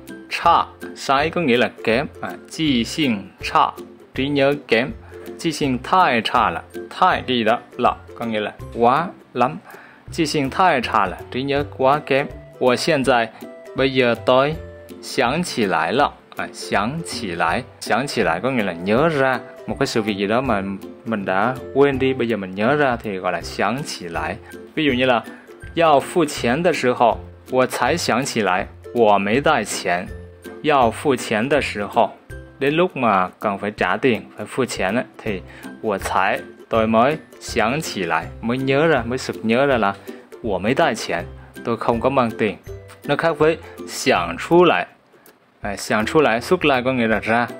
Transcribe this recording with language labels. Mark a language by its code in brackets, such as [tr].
[vi] 差 sai có nghĩa là kém, [zh] 记性差, [vi] trí nhớ kém, [zh] 记性太差了, [vi] 太 đi đó, là có nghĩa là quá lắm, 记性太差了, trí nhớ quá kém. [zh] 我现在, [vi] bây giờ tôi, [zh] 想起来了啊，想起来，想起来， [vi] có nghĩa là nhớ ra một cái sự việc gì đó mà mình đã quên đi, bây giờ mình nhớ ra thì gọi là [zh] 想起来。比如你了，要付钱的时候，我才想起来我没带钱。要付钱的时候， [vi] đến lúc mà cần phải trả tiền, phải [zh] 付钱了 [vi] thì [zh] 我才 [vi] tôi mới [zh] 想起来 [vi] mới nhớ ra mới sực nhớ ra là [zh] 我没带钱 [vi] tôi không có mang tiền. Nó khác với xiang chu lại. Xiang chu lại, xuất lại có nghĩa là ra.